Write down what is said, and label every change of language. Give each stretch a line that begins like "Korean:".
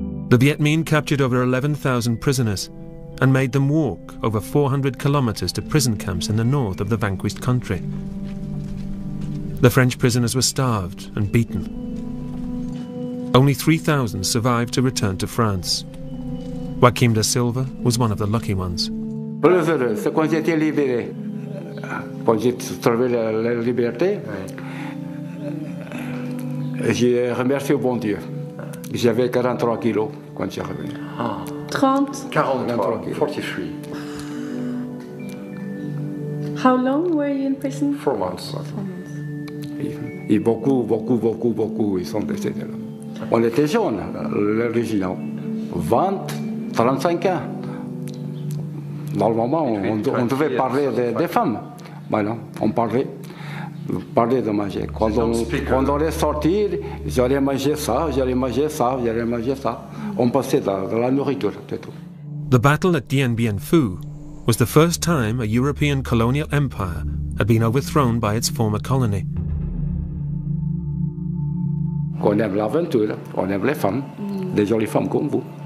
English: The Viet Minh captured over 11,000 prisoners and made them walk over 400 kilometers to prison camps in the north of the vanquished country. The French prisoners were starved and beaten. Only 3,000 survived to return to France. Joaquim da Silva was one of the lucky ones.
French: Plus heureux, c'est quand j'étais libéré. Quand j'ai trouvé la liberté, j'ai remercié au bon Dieu. J'avais 43 kilos. Quand j'y arrive. 43.
English: How long were you in prison? 4 months.
French: Et beaucoup, beaucoup, beaucoup, beaucoup, ils sont décédés. On était jeunes, les régiments. 20, 35 ans. Normalement, on devait parler des femmes. Mais non, on parlait. Parler de manger. Quand on allait sortir, j'allais manger ça, j'allais manger ça, j'allais manger ça. On passait de la nourriture, c'est tout.
English: The battle at Dien Bien Phu was the first time a European colonial empire had been overthrown by its former colony.
French: On aime l'aventure, on aime les femmes, des jolies femmes comme vous.